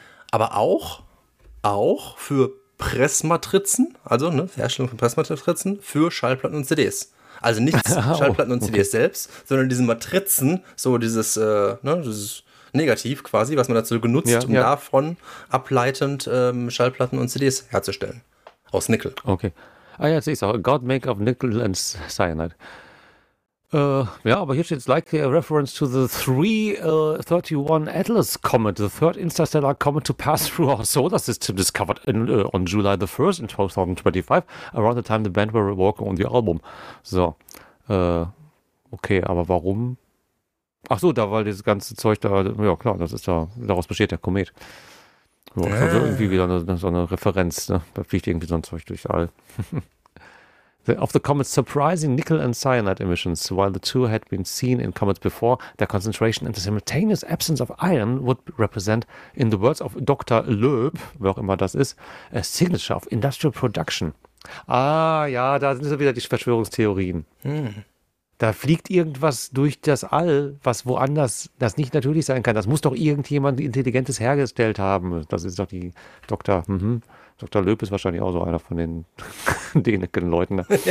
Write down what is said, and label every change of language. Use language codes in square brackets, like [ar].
[de] Aber auch für Pressmatrizen, also ne, Herstellung von Pressmatrizen, für Schallplatten und CDs. Also nicht Schallplatten und CDs selbst, sondern diese Matrizen, so dieses, dieses Negativ quasi, was man dazu genutzt, davon ableitend Schallplatten und CDs herzustellen. Aus Nickel. Okay. Ah ja, jetzt sehe ich es auch. [en] God make of Nickel and Cyanide. [de] Ja, aber hier steht es [en] like a reference to the 331 Atlas Comet, the third interstellar comet to pass through our solar system, discovered on July the 1st in 2025, around the time the band were working on the album. [de] So. Okay, aber warum? Ach so, da war dieses ganze Zeug da, ja klar, das ist da, daraus besteht der Komet. Ja, das ist irgendwie wieder so eine Referenz, ne? Da fliegt irgendwie so ein Zeug durchs All. [en] Of the comet's surprising nickel and cyanide emissions, while the two had been seen in comets before, their concentration and the simultaneous absence of iron would represent, in the words of Dr. Loeb, [de] wer auch immer das ist, [en] a signature of industrial production. [de] Ah ja, da sind so wieder die Verschwörungstheorien. Da fliegt irgendwas durch das All, was woanders, das nicht natürlich sein kann. Das muss doch irgendjemand Intelligentes hergestellt haben. Das ist doch die Dr. Dr. Löb ist wahrscheinlich auch so einer von den Däniken-Leuten. Ne?